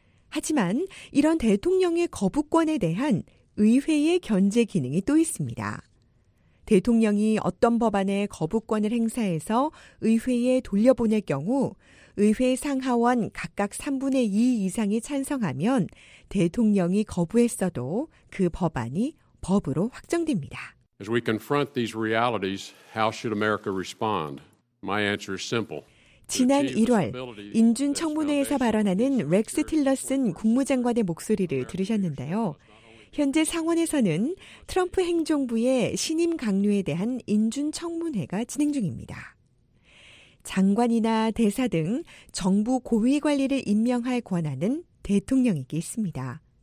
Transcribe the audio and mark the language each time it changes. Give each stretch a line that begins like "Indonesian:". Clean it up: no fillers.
Korean: 하지만 이런 대통령의 거부권에 대한 의회의 견제 기능이 또 있습니다. 대통령이 어떤 법안에 거부권을 행사해서 의회에 돌려보낼 경우 의회 상하원 각각 3분의 2 이상이 찬성하면 대통령이 거부했어도 그 법안이 법으로 확정됩니다.
English: As we confront these realities, how should America respond? My answer is simple.
Korean: 지난 1월 인준청문회에서 발언하는 렉스 틸러슨 국무장관의 목소리를 들으셨는데요. 현재 상원에서는 트럼프 행정부의 신임 강요에 대한 인준청문회가 진행 중입니다. 장관이나 대사 등 정부 고위 관리를 임명할 권한은 대통령에게 있습니다.